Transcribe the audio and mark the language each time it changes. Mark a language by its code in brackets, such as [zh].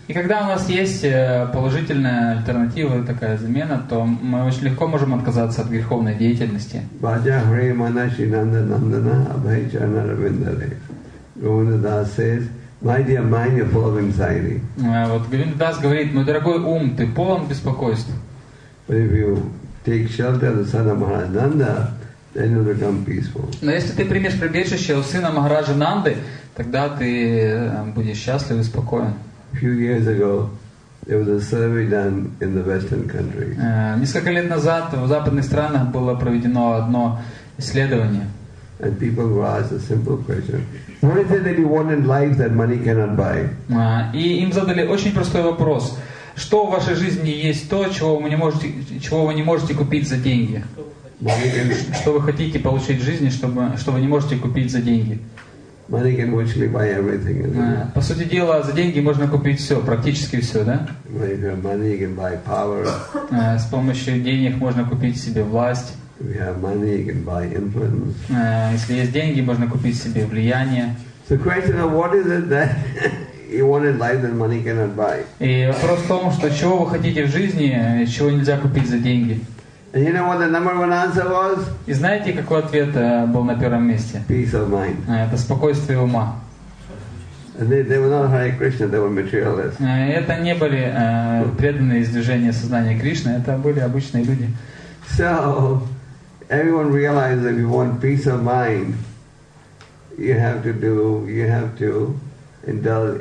[ru] И когда у нас есть положительная альтернатива, такая замена, то мы очень легко можем отказаться от греховной деятельности. [bn] Баджа Хри Манаши Нанда Нандана Абхай Чарна Равиндаре. [en] Говинда Дас says, my dear mind, you're full of anxiety. [ru] Вот Говинда Дас говорит, мой дорогой ум, ты полон беспокойств. [en] But if you take shelter of the Sadha Maharaj Nanda, then you'll become peaceful. [ru] Но если ты примешь прибежище у сына Махараджа Нанды, тогда ты будешь счастлив и спокоен. [en] A few years ago, there was a survey done in the Western countries. [ru] Несколько лет назад в западных странах было проведено одно исследование. [en] And people were asked a simple question: What is it that you want in life that money cannot buy? [ru] И им задали очень простой вопрос: что в вашей жизни есть то, чего вы не можете купить за деньги? Что вы хотите получить в жизни, что вы не можете купить за деньги? [en] Money can virtually buy everything, isn't it? [ru] По сути дела, за деньги можно купить все, практически все, да? [en] Well, if you have money, you can buy power. [ru] С помощью денег можно купить себе власть. [en] If you have money, you can buy influence. [ru] Если есть деньги, можно купить себе влияние. [en] So question of what is it that you want in life that money cannot buy? [ru] И вопрос в том, что чего вы хотите в жизни, чего нельзя купить за деньги. [en] And you know what the number one answer was? [ru] И знаете, какой ответ был на первом месте? [en] Peace of mind. [ru] Это спокойствие ума. [en] And they were not Hare Krishna, they were materialists. [ru] Это не были преданные из движения сознания Кришны, это были обычные люди. [en] So everyone realizes if you want peace of mind, you have to indulge.